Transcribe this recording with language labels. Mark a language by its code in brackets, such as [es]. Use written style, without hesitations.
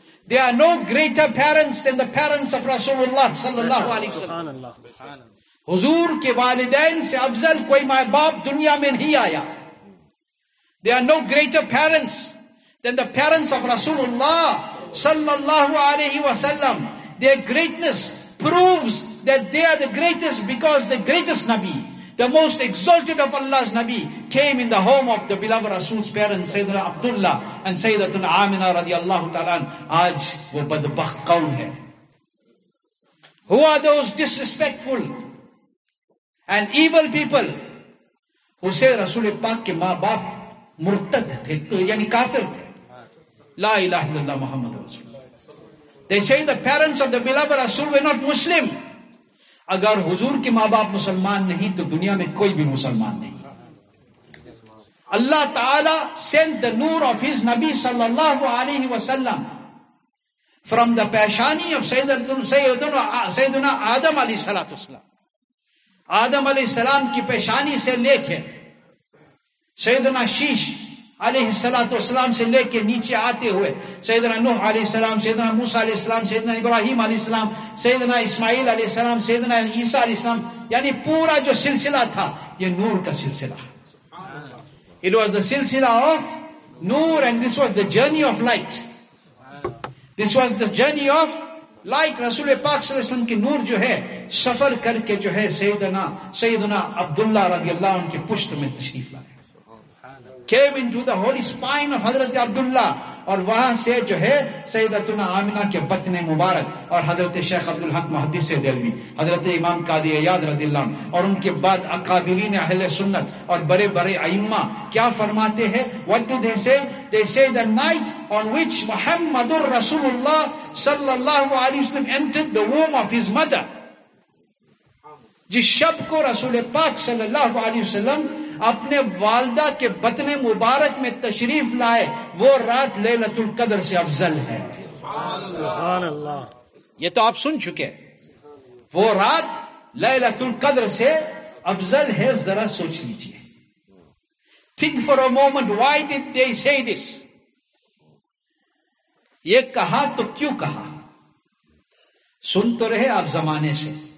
[en] There are no greater parents than the parents of Rasulullah sallallahu alaihi wasallam. [ur] حضور کے والدین سے افضل کوئی ماں باپ دنیا میں نہیں آیا. [en] There are no greater parents than the parents of Rasulullah sallallahu alaihi wasallam. Their greatness proves that they are the greatest because the greatest Nabi, the most exalted of Allah's Nabi, came in the home of the beloved Rasul's parents, Sayyidina Abdullah and Sayyidatuna Amina radiallahu ta'ala. [ur] Aaj wo badbakht kaun hai? [en] Who are those disrespectful and evil people who say [ur] Rasul Pak ke maa baap murtad the, yani kafir the? [ar] La ilaha illallah Muhammad Rasulullah. [en] They say the parents of the beloved Rasul were not Muslim. [ur] اگر حضور کے ماں باپ مسلمان نہیں تو دنیا میں کوئی بھی مسلمان نہیں. [en] اللہ تعالیٰ sent the نور of his نبی صلی اللہ علیہ وسلم from the پیشانی of سیدنا آدم علیہ السلام. [ur] آدم علیہ السلام کی پیشانی سے لے کے سیدنا شیش علیہ السلام سے لے کے نیچے آتے ہوئے سیدنا نوح علیہ السلام، سیدنا موسیٰ علیہ السلام، سیدنا ابراہیم علیہ السلام، سیدنا اسماعیل علیہ السلام، سیدنا عیسیٰ علیہ السلام، یعنی پورا جو سلسلہ تھا یہ نور کا سلسلہ. [en] It was the سلسلہ of نور and this was the journey of light. This was the journey of light. [ur] رسول پاک صلی اللہ علیہ وسلم کی نور جو ہے سفر کر کے جو ہے سیدنا عبداللہ رضی اللہ عنہ کے پشت میں تشریف لائے. [en] Came into the holy spine of Hazrat Abdullah [ur] اور وہاں سے جو ہے سیدتنا آمنہ کے بطن مبارک اور حضرت شیخ عبدالحق محدث دلوی، حضرت امام قاضی عیاض رضی اللہ عنہ اور ان کے بعد اقابلین اہل سنت اور بڑے بڑے ائمہ کیا فرماتے ہیں؟ [en] What do they say? They say the night on which Muhammad رسول اللہ صلی اللہ علیہ وسلم entered the womb of his mother. [ur] جس شب کو رسول پاک صلی اللہ علیہ وسلم اپنے والدہ کے بطن مبارک میں تشریف لائے وہ رات لیلۃ القدر سے افضل ہے. سبحان اللہ. یہ تو آپ سن چکے ہیں. وہ رات لیلۃ القدر سے افضل ہے. ذرا سوچ لیجئے. [en] Think for a moment, why did they say this? [ur] یہ کہا تو کیوں کہا؟ سن تو رہے آپ زمانے سے.